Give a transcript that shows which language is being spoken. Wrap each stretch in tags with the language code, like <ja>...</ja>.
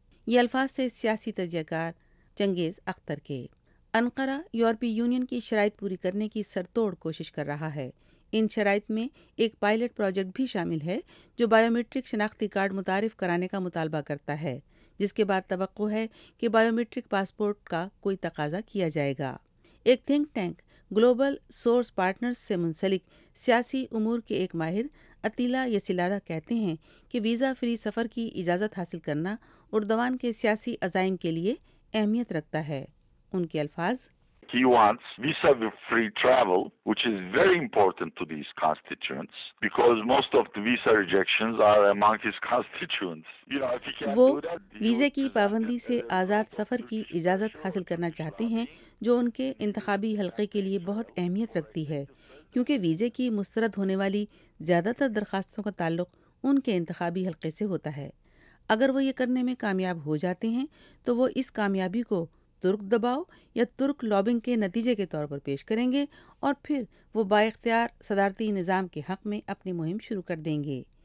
<ur>یہ الفاظ تھے سیاسی تجزیہ کار چنگیز اختر کے۔ انقرہ یورپی یونین کی شرائط پوری کرنے کی سر توڑ کوشش کر رہا ہے۔ ان شرائط میں ایک پائلٹ پروجیکٹ بھی شامل ہے جو بائیو میٹرک شناختی کارڈ متعارف کرانے کا مطالبہ کرتا ہے، جس کے بعد توقع ہے کہ بائیو میٹرک پاسپورٹ کا کوئی تقاضا کیا جائے گا۔ ایک think tank global source partners سے منسلک سیاسی امور کے ایک ماہر عطیلہ یسیلادہ کہتے ہیں کہ ویزا فری سفر کی اجازت حاصل کرنا اردوان کے سیاسی عزائم کے لیے اہمیت رکھتا ہے۔ ان کے الفاظ،</ur> <en>He wants visa-free travel, which is very important to these constituents because most of the visa rejections are among his constituents.</en> <ur>وہ ویزے کی پابندی سے آزاد سفر کی اجازت حاصل کرنا چاہتے ہیں جو ان کے انتخابی حلقے کے لیے بہت اہمیت رکھتی ہے، کیونکہ ویزے کی مسترد ہونے والی زیادہ تر درخواستوں کا تعلق ان کے انتخابی حلقے سے ہوتا ہے۔ اگر وہ یہ کرنے میں کامیاب ہو جاتے ہیں تو وہ اس کامیابی کو ترک دباؤ یا ترک لابنگ کے نتیجے کے طور پر پیش کریں گے اور پھر وہ با اختیار صدارتی نظام کے حق میں اپنی مہم شروع کر دیں گے۔</ur>